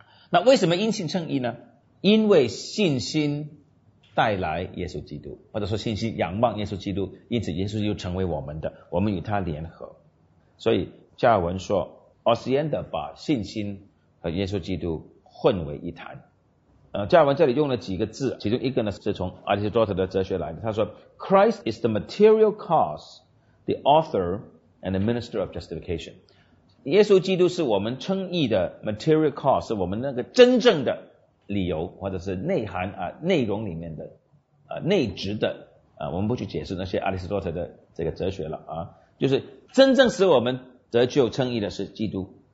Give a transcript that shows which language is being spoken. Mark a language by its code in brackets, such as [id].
[zh] 那为什么因信称义呢？因为信心带来耶稣基督，或者说信心仰望耶稣基督，因此耶稣就成为我们的，我们与他联合。所以加尔文说 Ascenda 把信心和耶稣基督混为一谈。加尔文这里用了几个字，其中一个呢是从阿里士多德的哲学来的。 [en] 他说 Christ is the material cause, the author and the minister of justification. [zh] 耶稣基督是我们称义的 material cause, 是我们那个真正的理由或者是内涵啊，内容里面的内值的我们不去解释那些阿里士多德的这个哲学了啊，就是真正使我们得救称义的是基督。